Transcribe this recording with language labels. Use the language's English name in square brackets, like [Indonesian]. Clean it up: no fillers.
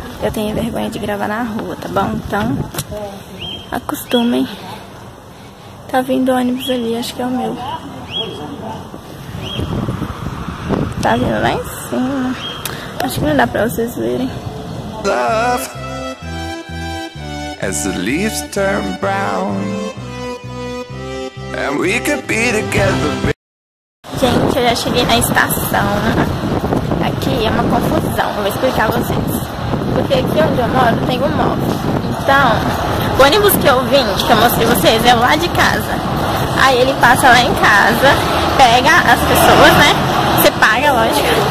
[Portuguese] Eu tenho vergonha de gravar na rua, tá bom? Então, acostumem. Tá vindo o ônibus ali, acho que é o meu. Tá vindo lá em cima. Acho que não dá pra vocês verem. [English] Love. As the leaves turn brown, and we could be together. [Portuguese] Gente, eu já cheguei na estação. Aqui é uma confusão. Eu vou explicar pra vocês. Porque aqui onde eu moro tem um móvel. Então, o ônibus que eu vim, que eu mostrei pra vocês, é lá de casa. Aí ele passa lá em casa, pega as pessoas, né? Você paga, lógico.